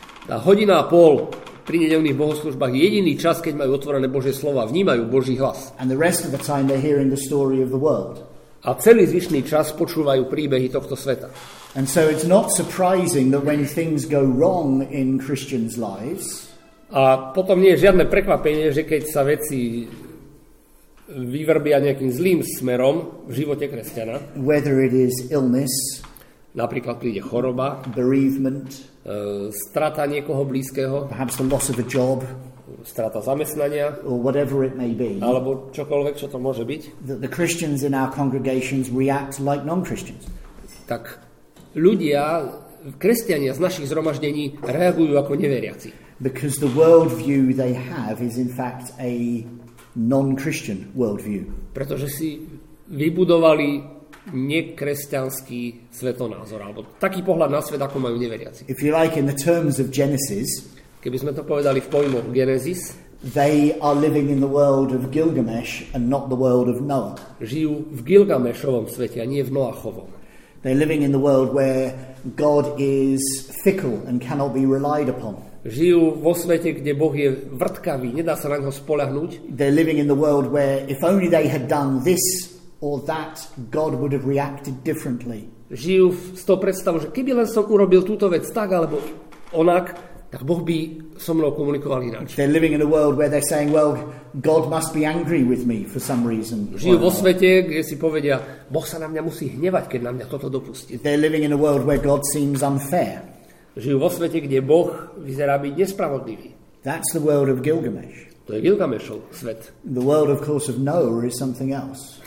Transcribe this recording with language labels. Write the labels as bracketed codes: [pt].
[sk] A hodina a pol pri nedeľných bohoslužbách jediný čas, keď majú otvorené Božie slovo a vnímajú Boží hlas. [en] And the rest of the time they're hearing the story of the world. [sk] A celý zvyšný čas počúvajú príbehy tohto sveta. [en] And so it's not surprising that when things go wrong in Christians' lives, [sk] a potom nie je žiadne prekvapenie, že keď sa veci vyvrbia nejakým zlým smerom v živote kresťana, [en] whether it is illness, [sk] napríklad príde choroba, [en] bereavement, [sk] strata niekoho blízkeho, [en] perhaps the loss of a job, [sk] strata zamestnania, [en] or whatever it may be, [sk] alebo čokoľvek, čo to môže byť, [en] that the Christians in our congregations react like non-Christians. [sk] Tak ľudia, kresťania z našich zhromaždení reagujú ako neveriaci. [en] Because the worldview they have is in fact a non-Christian worldview. [sk] Pretože si vybudovali nekresťanský svetonázor, alebo taký pohľad na svet, ako majú neveriaci. [en] If you like, in the terms of Genesis, [sk] keby sme to povedali v pojmoch Genesis, [en] they are living in the world of Gilgamesh and not the world of Noah. [sk] Žijú v Gilgamešovom svete, a nie v Noachovom. [en] They're living in the world where God is fickle and cannot be relied upon. [sk] Žijú vo svete, kde Boh je vrtkavý, nedá sa na ňo spoľahnúť. [en] They're living in the world where if only they had done this or that, God would have reacted differently. [sk] Žijú s tou predstavou, že keby len som urobil túto vec tak alebo onak, tak Boh by so mnou komunikoval ináč. [en] They're living in a world where they're saying, well, God must be angry with me for some reason. [sk] Žijú vo svete, kde si povedia, Boh sa na mňa musí hnevať, keď na mňa toto dopustí. [en] They're living in a world where God seems unfair. [sk] Žijú vo svete, kde Boh vyzerá byť nespravodlivý. [en] That's the world of Gilgamesh. [sk] To je Gilgamešov svet. [en] The world, of course, of Noah is something else.